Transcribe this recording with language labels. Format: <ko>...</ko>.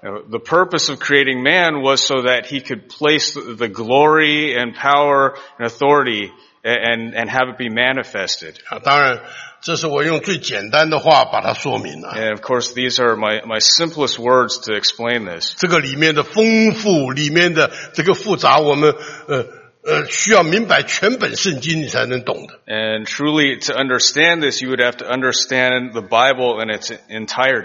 <en>the purpose of creating man was so that he could place the glory and power and authority and have it be manifested.</en> <zh>当然这是我用最简单的话把它说明了。</zh> <en>And of course these are my simplest words to explain this.</en> <zh>这个里面的丰富, 里面的这个复杂, 我们, 需要明白全本圣经你才能懂的。</zh> <en>And truly to understand this, you would have to understand the Bible in its entirety.</en>